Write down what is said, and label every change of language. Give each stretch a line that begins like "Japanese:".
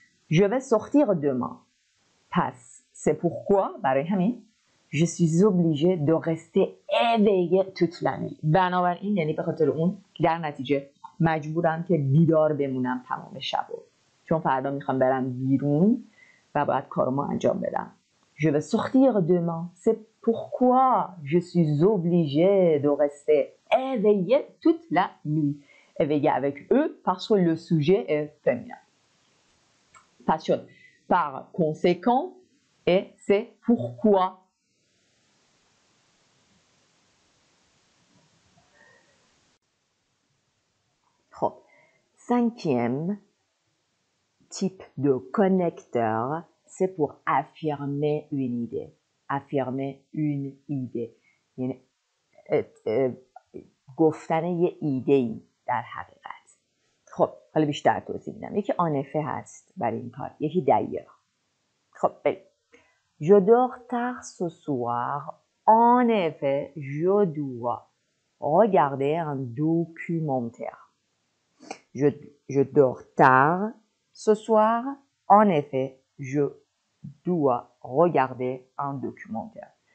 French: Je vais sortir demain.
Persian: پس
French: c'est pourquoi،
Persian: برای همین.
French: Je suis obligé de rester éveillé toute la nuit.
Persian: بنابراین یعنی به خاطر اون در نتیجه مجبورم که بیدار بمونم تمام شب رو، چون فردا میخوام برم بیرون و باید کارمو انجام بدم.
French: Je vais sortir demain. C'est pourquoi je suis obligé de rester éveillé toute la nuit. Éveillé avec E parce que le sujet est féminin. Pas sûr. Par conséquent, et c'est pourquoi. Cinquième type de connecteur, c'est pour affirmer une idée. Affirmer une idée.
Persian: یعنی گفتن یه ایده ای در حقیقت. خب حالا بیشتر توضیح میدم. یکی آنفه هست برای این کار، یکی دایر. خب بریم.
French: Je dors tard ce soir. En effet, je dois regarder un documentaire. Je dors tard ce soir. En effet, je dois regarder un documentaire.